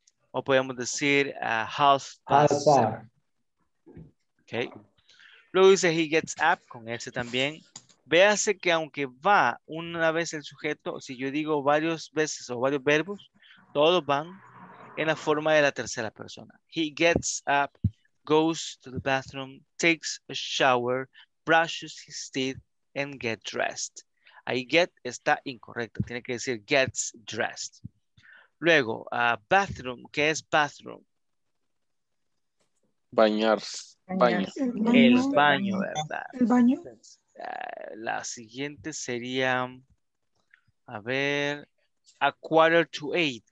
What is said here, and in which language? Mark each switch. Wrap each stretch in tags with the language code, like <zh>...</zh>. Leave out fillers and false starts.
<es>O podemos decir half past seven. Okay. Luego dice</es> <en>he gets up,</en> <es>con ese también. Véase que aunque va una vez el sujeto, si yo digo varias veces o varios verbos, todos van en la forma de la tercera persona.</es> <en>He gets up, goes to the bathroom, takes a shower, brushes his teeth, and gets dressed.</en> <es>Ahí get está incorrecto, tiene que decir gets dressed. Luego, bathroom, ¿qué es bathroom? Bañarse. El baño, ¿verdad? El baño. La siguiente sería, a ver,</es> <en>a quarter to eight.</en>